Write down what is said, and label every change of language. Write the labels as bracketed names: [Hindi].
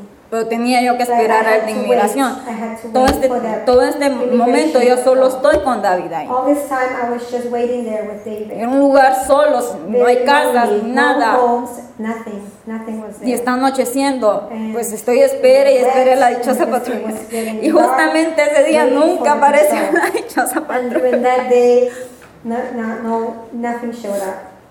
[Spanish] pero tenía yo que esperar a la inmigración. Todo este momento yo solo estoy con David ahí. [English] All this time I was just waiting there with David. [Spanish] En un lugar solo, no hay cargas, nada. [English] No homes, nothing was there. [Spanish] Y está anocheciendo, pues estoy espere y espere la dichosa patrulla. Y justamente ese día nunca apareció la dichosa patrulla. [English] And that day, nothing showed up.